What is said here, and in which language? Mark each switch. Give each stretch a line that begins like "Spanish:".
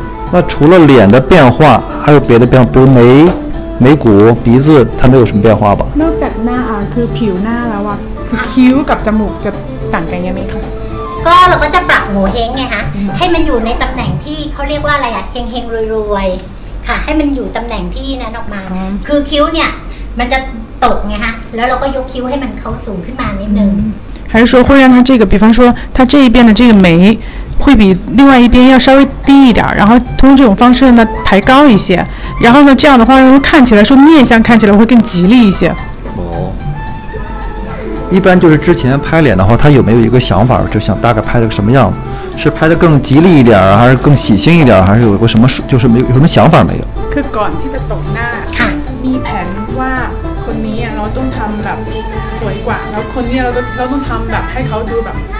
Chinese: 那除了脸的变化还有别的变化，比如眉骨鼻子它没有什么变化吧？
Thai: นอกจากหน้าคือผิวหน้าแล้วอ่ะคือคิ้วกับจมูกจะต่างกันยังไงคะ ก็เราก็จะปรับโงเห้งไงคะให้มันอยู่ในตำแหน่งที่เขาเรียกว่าอะไรอ่ะเฮงๆรวยๆค่ะให้มันอยู่ตำแหน่งที่นั้นออกมาคือคิ้วเนี่ยมันจะตกไงคะแล้วเราก็ยกคิ้วให้มันเขาสูงขึ้นมานิดนึง
Chinese: 还是说会让它这个，比方说它这一边的这个眉会比另外一边要稍微低一点，然后通过这种方式呢抬高一些，然后呢这样的话看起来说面相看起来会更吉利一些。哦，一般就是之前拍脸的话，他有没有一个想法，就想大概拍的什么样子，是拍的更吉利一点，还是更喜庆一点，还是有个什么就是没有什么想法没有？
Thai: คือก่อนที่จะตกหน้าค่ะมีแผนว่าคนนี้เราต้องทำแบบสวยกว่าแล้วคนนี้เราต้องทำแบบให้เขาดูแบบ